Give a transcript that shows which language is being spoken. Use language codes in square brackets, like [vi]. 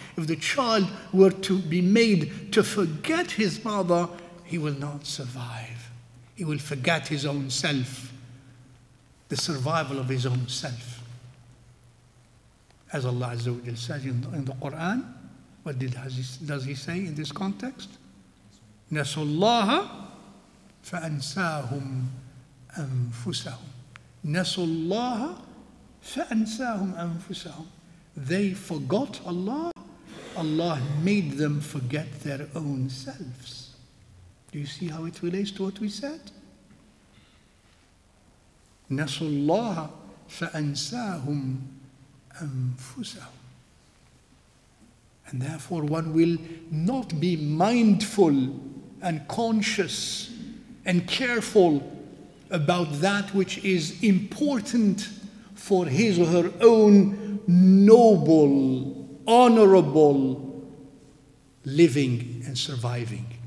[en] If the child were to be made to forget his mother, he will not survive. He will forget his own self, the survival of his own self. As Allah Azza wa Jalla says in the Quran, what does he say in this context? [ar] نَسُوا اللَّهَ فَأَنْسَاهُمْ أَنفُسَهُمْ نَسُوا اللَّهَ فَأَنْسَاهُمْ أَنفُسَهُمْ [en] They forgot Allah. Allah made them forget their own selves. Do you see how it relates to what we said? [ar] نَسُوا اللَّهَ فَأَنْسَاهُمْ أَنفُسَهُمْ [en] And therefore one will not be mindful and conscious and careful about that which is important for his or her own noble, honorable living and surviving.